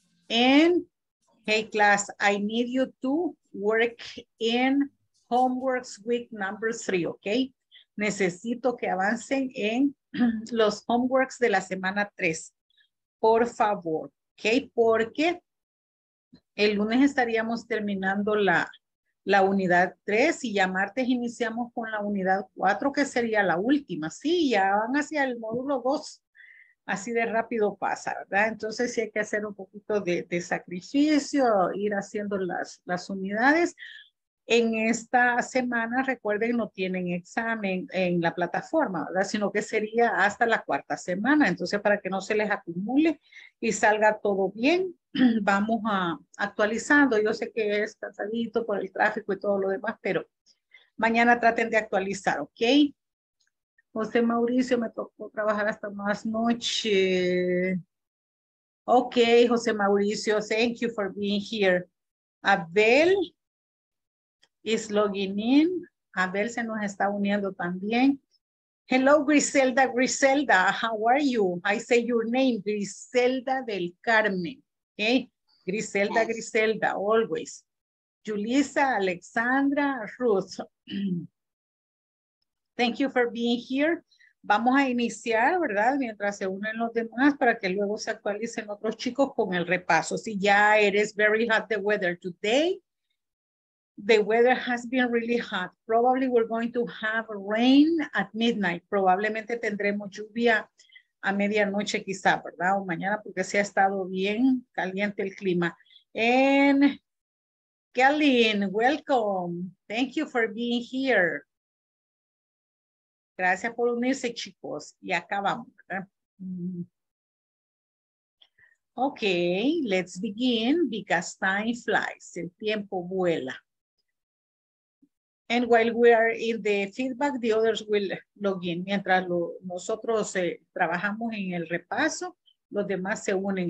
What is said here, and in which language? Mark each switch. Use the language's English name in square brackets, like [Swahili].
[English] And hey, class, I need you to work in homeworks week number 3, okay? [Spanish] Necesito que avancen en los homeworks de la semana 3. Por favor, ¿ok? Porque el lunes estaríamos terminando la unidad 3 y ya martes iniciamos con la unidad 4, que sería la última, ¿sí? Ya van hacia el módulo 2. así de rápido pasa, ¿verdad? Entonces sí hay que hacer un poquito de sacrificio, ir haciendo las unidades. En esta semana, recuerden, no tienen examen en la plataforma, ¿verdad? Sino que sería hasta la cuarta semana. Entonces, para que no se les acumule y salga todo bien, vamos a actualizando. Yo sé que es cansadito por el tráfico y todo lo demás, pero mañana traten de actualizar, ¿ok? José Mauricio, me tocó trabajar hasta más noche. [English] Ok, José Mauricio, thank you for being here. Abel is logging in. [Spanish] Abel se nos está uniendo también. [English] Hello, Griselda. Griselda, how are you? I say your name, Griselda del Carmen. Okay, Griselda, Griselda, always. Julissa, Alexandra, Ruth. Thank you for being here. [Spanish] Vamos a iniciar, ¿verdad? Mientras se unen los demás para que luego se actualicen otros chicos con el repaso. Si ya eres [English] very hot the weather today, the weather has been really hot. Probably we're going to have rain at midnight. [Spanish] Probablemente tendremos lluvia a medianoche quizá, ¿verdad? O mañana porque se ha estado bien caliente el clima. [English] And Kelly, welcome. Thank you for being here. [Spanish] Gracias por unirse, chicos. Y acá vamos, ¿verdad? [English] Ok, let's begin because time flies. [Spanish] El tiempo vuela. [English] And while we are in the feedback, the others will log in. [Spanish] Mientras nosotros trabajamos en el repaso, los demás se unen.